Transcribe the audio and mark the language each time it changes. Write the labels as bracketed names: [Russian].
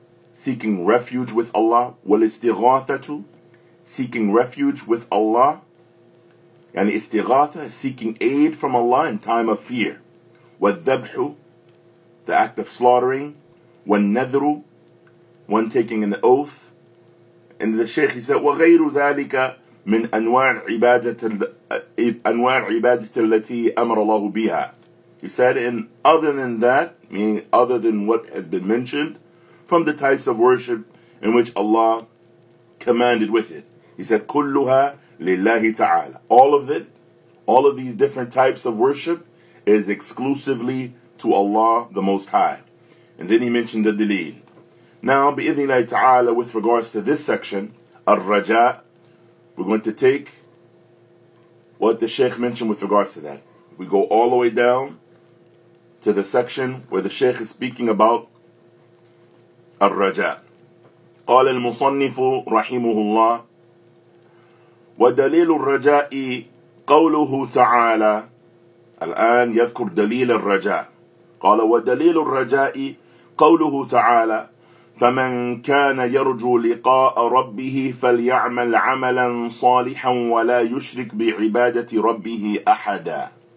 [English] seeking refuge with Allah, وَالْإِسْتِغَاثَةُ, seeking refuge with Allah, يعني استغاثة, seeking aid from Allah in time of fear, وَالْذَبْحُ, the act of slaughtering, وَالْنَذْرُ, one taking an oath. And the Shaykh, he said, وَغَيْرُ ذَلِكَ مِنْ أَنْوَاعِ عِبَادَةِ الَّتِي أَمَرَ اللَّهُ بِهَا. He said, and other than that, meaning other than what has been mentioned, from the types of worship in which Allah commanded with it. [Arabic] He said, كُلُّهَا لِلَّهِ تَعَالَى. [English] All of it, all of these different types of worship is exclusively to Allah the Most High. And then he mentioned the دليل. Now, بِإِذْنِ اللَّهِ تَعَالَى, with regards to this section, الرَّجَاء, we're going to take what the Shaykh mentioned with regards to that. We go all the way down to the section where the Shaykh is speaking about [Arabic] الرجاء. قال المصنف رحمه الله: ودليل الرجاء قوله تعالى، الآن يذكر دليل الرجاء. قال: ودليل الرجاء قوله تعالى: فمن كان يرجو لقاء ربه فليعمل عملا صالحا ولا يشرك بعبادة ربه أحدا.